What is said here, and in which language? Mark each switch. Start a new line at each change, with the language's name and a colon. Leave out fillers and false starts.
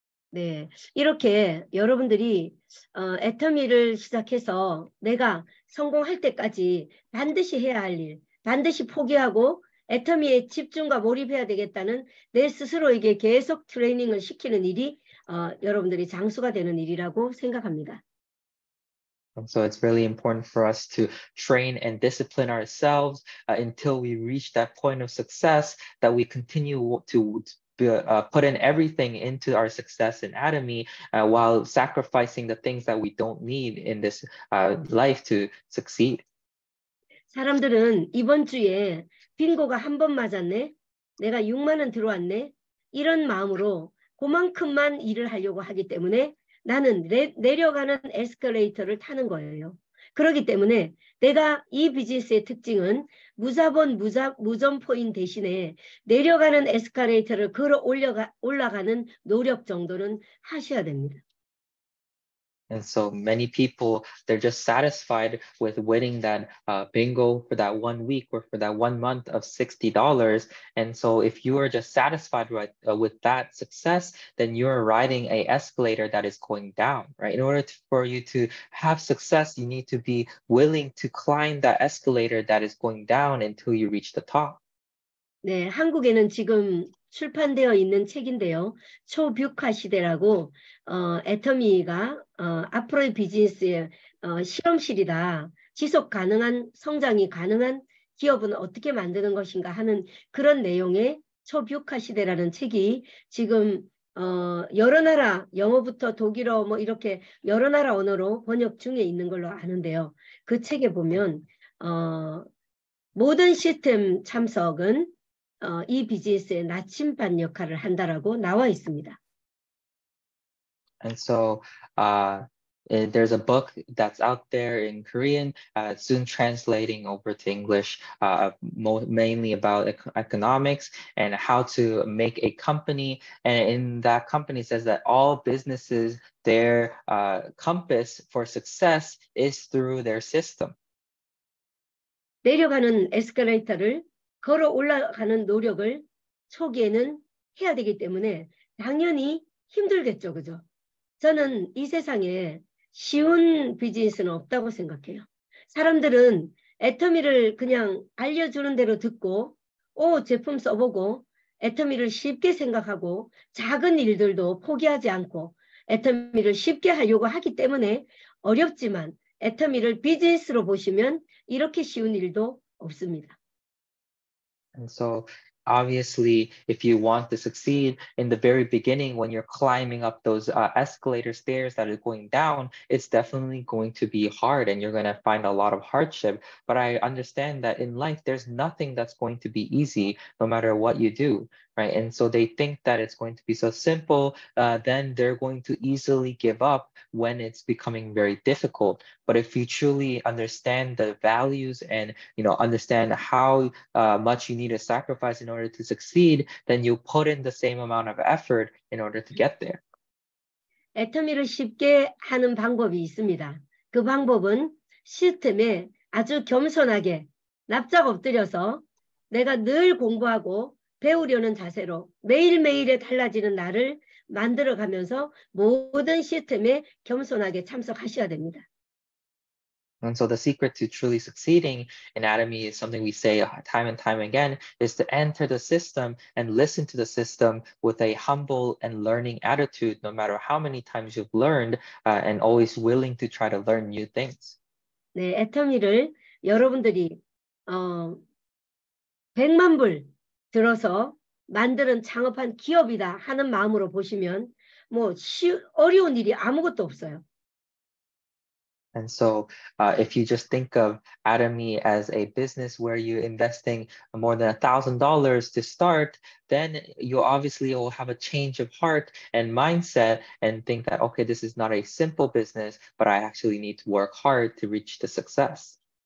Korean: 네, 이렇게 여러분들이 애터미를 시작해서 내가 성공할 때까지 반드시 해야 할 일, 반드시 포기하고 애터미에 집중과 몰입해야 되겠다는 내 스스로에게 계속 트레이닝을 시키는 일이 여러분들이 장수가 되는 일이라고 생각합니다.
English: So it's really important for us to train and discipline ourselves until we reach that point of success that we continue to put in everything into our success in Atomy while sacrificing the things that we don't need in this life to succeed.
Korean: 사람들은 이번 주에 빙고가 한 번 맞았네. 내가 6만 원 들어왔네. 이런 마음으로 그만큼만 일을 하려고 하기 때문에 나는 내려가는 에스컬레이터를 타는 거예요. 그러기 때문에 내가 이 비즈니스의 특징은 무자본 무점포인 대신에 내려가는 에스컬레이터를 올라가는 노력 정도는 하셔야 됩니다.
English: And so many people, they're just satisfied with winning that bingo for that 1 week or for that 1 month of $60. And so if you are just satisfied with that success, then you're riding an escalator that is going down, right? In order for you to have success, you need to be willing to climb that escalator that is going down until you reach the top.
Korean: 네, 한국에는 지금 출판되어 있는 책인데요. 초뷰카 시대라고 애터미가 앞으로의 비즈니스의 실험실이다. 지속 가능한 성장이 가능한 기업은 어떻게 만드는 것인가 하는 그런 내용의 초뷰카 시대라는 책이 지금 여러 나라 영어부터 독일어 뭐 이렇게 여러 나라 언어로 번역 중에 있는 걸로 아는데요. 그 책에 보면 모든 시스템 참석은 이 비즈니스의 나침반 역할을 한다라고 나와 있습니다.
English: And so there's a book that's out there in Korean, soon translating over to English, mainly about economics and how to make a company. And in that company says that all businesses, their compass for success is through their system.
Korean: 내려가는 에스컬레이터를 걸어 올라가는 노력을 초기에는 해야 되기 때문에 당연히 힘들겠죠, 그죠? 저는 이 세상에 쉬운 비즈니스는 없다고 생각해요. 사람들은 애터미를 그냥 알려주는 대로 듣고 오, 제품 써보고 애터미를 쉽게 생각하고 작은 일들도 포기하지 않고 애터미를 쉽게 하려고 하기 때문에 어렵지만 애터미를 비즈니스로 보시면 이렇게 쉬운 일도 없습니다.
English: And so obviously, if you want to succeed in the very beginning, when you're climbing up those escalator stairs that are going down, it's definitely going to be hard and you're going to find a lot of hardship. But I understand that in life, there's nothing that's going to be easy, no matter what you do, right? And so they think that it's going to be so simple, then they're going to easily give up when it's becoming very difficult. But if you truly understand the values and, you know, understand how much you need to sacrifice in order to succeed, then you put in the same amount of effort in order to get there.
Korean: 애터미를 쉽게 하는 방법이 있습니다. 그 방법은 시스템에 아주 겸손하게 납작 엎드려서 내가 늘 공부하고 배우려는 자세로 매일매일에 달라지는 나를 만들어가면서 모든 시스템에 겸손하게 참석하셔야 됩니다.
English: And so the secret to truly succeeding in Atomy is something we say time and time again, is to enter the system and listen to the system with a humble and learning attitude, no matter how many times you've learned, and always willing to try to learn new things.
Korean: 네, 애터미를 여러분들이 100만 불 들어서 만드는 창업한 기업이다 하는 마음으로 보시면 뭐 어려운 일이 아무것도 없어요.
English: And so if you just think of Atomy as a business where you're investing more than $1,000 to start, then you obviously will have a change of heart and mindset and think that, okay, this is not a simple business, but I actually need to work hard to reach the success.